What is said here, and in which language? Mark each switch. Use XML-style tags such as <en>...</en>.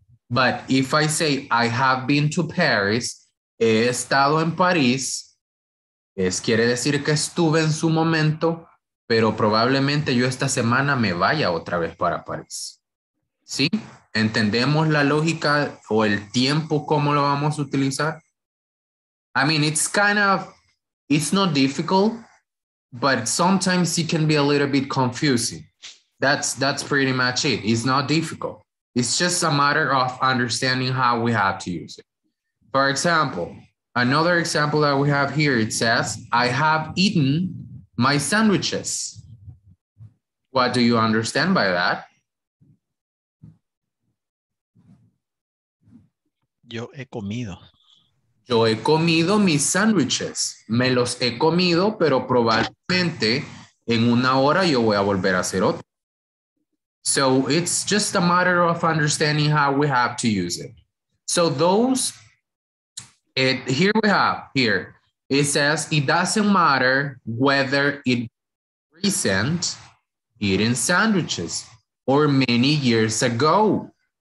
<en>But if I say I have been to Paris,</en> <es>he estado en París, es quiere decir que estuve en su momento, pero probablemente yo esta semana me vaya otra vez para París. ¿Sí? ¿Entendemos la lógica o el tiempo cómo lo vamos a utilizar?</es> <en>I mean, it's not difficult, but sometimes it can be a little bit confusing. That's pretty much it. It's not difficult. It's just a matter of understanding how we have to use it. For example, another example that we have here, it says, I have eaten my sandwiches. What do you understand by that?</en> <es>Yo he comido. Yo he comido mis sándwiches. Me los he comido, pero probablemente en una hora yo voy a volver a hacer otro.</es> <en>So it's just a matter of understanding how we have to use it. So here it says it doesn't matter whether it recent eating sandwiches or many years ago.</en>